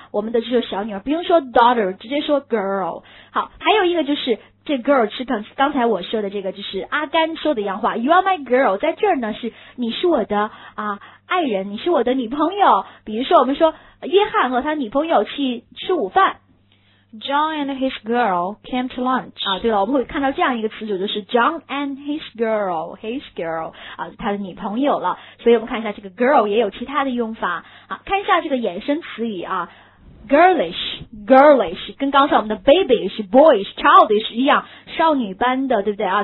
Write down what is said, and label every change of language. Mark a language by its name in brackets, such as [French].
[Chinese] 我们的这个小女儿不用说 daughter， 直接说 girl。好，还有一个就是这 girl 是刚才我说的这个，就是阿甘说的一样话 ， [English] You are my girl， [Chinese] 在这儿呢是你是我的啊爱人，你是我的女朋友。比如说我们说约翰和他女朋友去吃午饭 [English] ，John and his girl came to lunch。 [Chinese] 啊，对了，我们会看到这样一个词组，就是 [English] John and his girl [Chinese] 啊，他的女朋友了。所以我们看一下这个 girl 也有其他的用法。好，看一下这个衍生词语啊。 girlish 跟刚才我们的 babyish boyish childish 一样，少女般的，对不对啊？